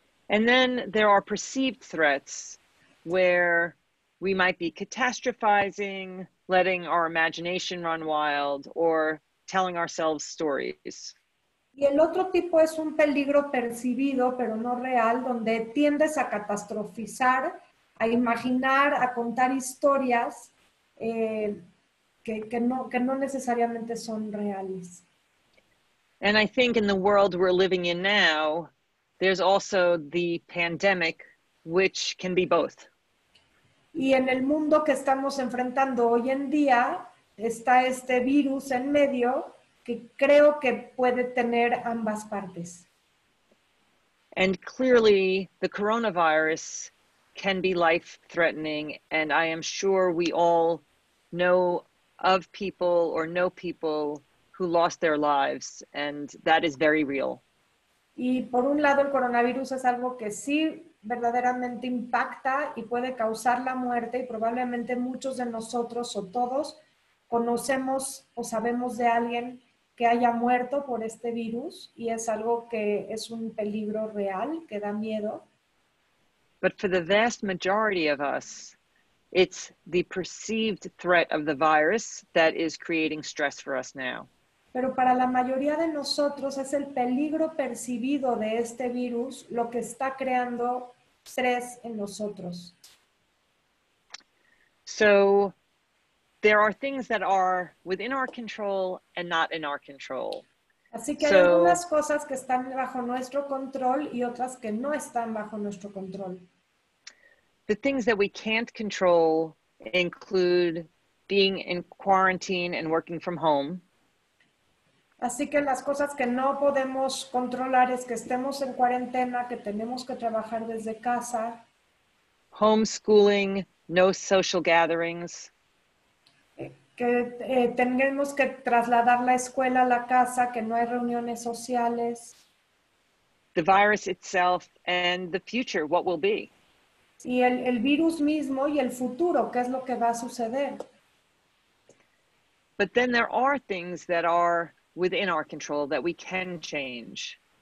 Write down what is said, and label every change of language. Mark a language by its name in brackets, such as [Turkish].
[English] And then there are perceived threats where we might be catastrophizing, letting our imagination run wild, or telling ourselves stories. [Spanish] Y el otro tipo es un peligro percibido, pero no real, donde tiendes a catastrofizar, a imaginar, a contar historias que no necesariamente son reales. [English] And I think in the world we're living in now, there's also the pandemic, which can be both. [Spanish] Y en el mundo que estamos enfrentando hoy en día, está este virus en medio, que creo que puede tener ambas partes. [English] And clearly, the coronavirus can be life-threatening, and I am sure we all know of people or know people who lost their lives, and that is very real. [Spanish] Y por un lado, el coronavirus es algo que sí verdaderamente impacta y puede causar la muerte, y probablemente muchos de nosotros o todos conocemos o sabemos de alguien que haya muerto por este virus, y es algo que es un peligro real, que da miedo. [English] But for the vast majority of us, it's the perceived threat of the virus that is creating stress for us now. [Spanish] Pero para la mayoría de nosotros es el peligro percibido de este virus lo que está creando estrés en nosotros. [English] So there are things that are within our control and not in our control. [Spanish] Así que hay algunas cosas que están bajo nuestro control y otras que no están bajo nuestro control. [English] The things that we can't control include being in quarantine and working from home. [Spanish] Así que las cosas que no podemos controlar es que estemos en cuarentena, que tenemos que trabajar desde casa. [English] Homeschooling, no social gatherings. [Spanish] Que tenemos que trasladar la escuela a la casa, que no hay reuniones sociales. [English] The virus itself and the future, what will be. [Spanish] Y el virus mismo y el futuro, ¿qué es lo que va a suceder? [English] But then there are things that are within our control that we can change.